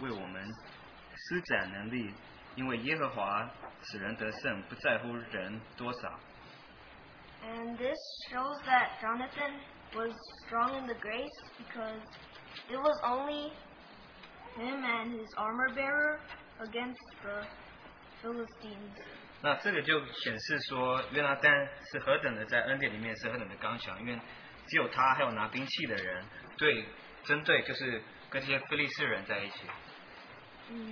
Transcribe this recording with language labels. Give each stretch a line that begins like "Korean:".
Chinese: 约拿单对拿兵器的少年人说，我们如果到未受割礼的人的防营那里去，或者耶和华为我们施展能力， 因为耶和华使人得胜，不在乎人多少。
English: And this shows that Jonathan was strong in the grace because it was only him and his armor bearer against the Philistines.
Chinese: 那这个就显示说约拿单是何等的在恩典里面是何等的刚强，因为只有他还有拿兵器的人对针对就是跟这些非利士人在一起。